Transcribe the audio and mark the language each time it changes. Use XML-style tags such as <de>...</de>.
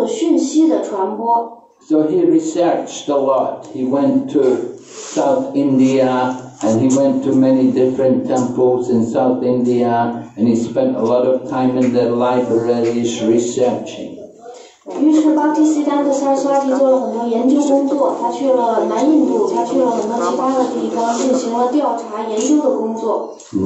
<zh>但是巴蒂斯丹的萨斯瓦蒂想要鼓励对于主宰他的马哈波布的讯息的传播。</zh> <en>So he researched a lot. He went to South India and he went to many different temples in South India and he spent a lot of time in their libraries researching.</en> <zh>于是巴蒂斯丹的萨斯瓦蒂做了很多研究工作，他去了南印度，他去了很多其他的地方进行了调查研究的工作。</zh>